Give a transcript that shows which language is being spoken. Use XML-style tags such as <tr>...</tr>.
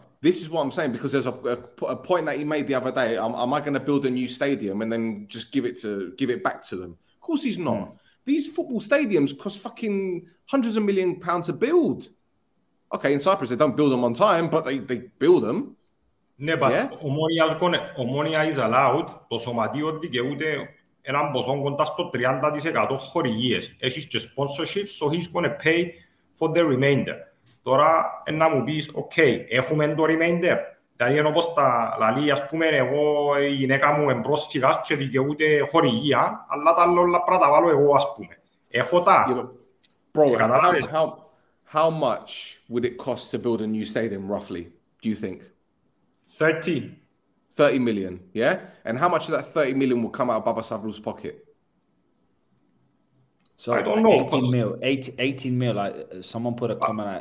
<en>This is what I'm saying because there's a point that he made the other day. Am I going to build a new stadium and then just give it back to them? Of course, he's not. These football stadiums cost fucking hundreds of million pounds to build. Okay, in Cyprus, they don't build them on time, but they build them.</en> <el>Ναι,</el> <en>but Omonoia is allowed,</en> <el>το σωματείο δικαιούται έναν ποσό κοντά στο 30% χορηγίες. Έχεις και sponsorship,</el> <en>so he's going to pay for the remainder.</en> <el>Τώρα, να μου πεις, ok, έχουμε το remainder. Δηλαδή, όπως τα λαλεί, ας πούμε, εγώ η γυναίκα μου εμπρόσφυγας και δικαιούται χορηγία, αλλά τα άλλα πράγματα βάλω εγώ, ας πούμε. Έχω τα...</el> <en>Bro, how much would it cost to build a new stadium, roughly, do you think? 30 million, yeah? And how much of that 30 million will come out of Baba Savrul's pocket? So I don't know. 18 mil. Someone put a comment.</en>